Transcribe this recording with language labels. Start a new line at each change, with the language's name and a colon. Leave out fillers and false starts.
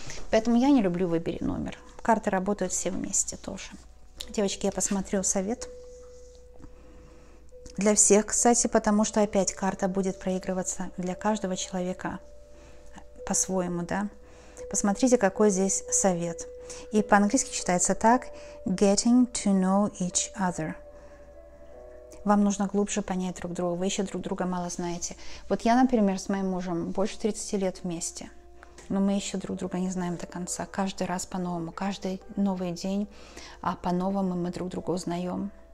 Russian: Поэтому я не люблю выбери номер. Карты работают все вместе тоже. Девочки, я посмотрю совет. Для всех, кстати, потому что опять карта будет проигрываться для каждого человека по-своему, да? Посмотрите, какой здесь совет. И по-английски читается так.
English: Getting to know each other.
Russian: Вам нужно глубже понять друг друга, вы еще друг друга мало знаете. Вот я, например, с моим мужем больше 30 лет вместе, но мы еще друг друга не знаем до конца. Каждый раз по-новому, каждый новый день, а по-новому мы друг друга узнаем.